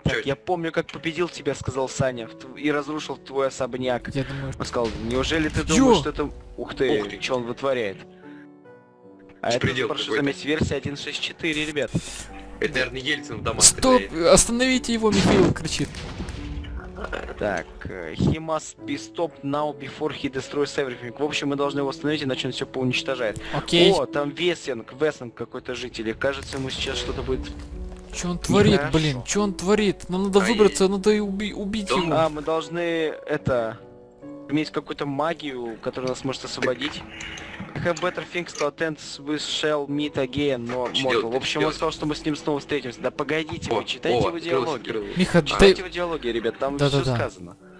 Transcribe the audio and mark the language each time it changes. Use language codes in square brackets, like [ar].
[ru] Так, я помню, как победил тебя, сказал Саня, и разрушил твой особняк. Я думаю... Он сказал, неужели ты думаешь, что это... Ух ты, что он вытворяет? А это, прошу заметить, версия 1.6.4, ребят. Это, наверное, Ельцин в домах. Стоп, остановите его, Михаил кричит. [en] Так, he must be stopped now before he destroys everything. [ru] В общем, мы должны его остановить, иначе он все поуничтожает. Окей. О, там Весинг какой-то житель. Кажется, ему сейчас что-то будет... Что он творит, нехорошо. Блин? Что он творит? Нам надо выбраться, надо убить его. А, мы должны, иметь какую-то магию, которая нас может освободить. [en] Have better things to attend, we shall meet again, [ru] но можно. В общем, он сказал, что мы с ним снова встретимся. Да погодите, вы читайте его диалоги. Миха, читайте его диалоги, ребят, там все сказано.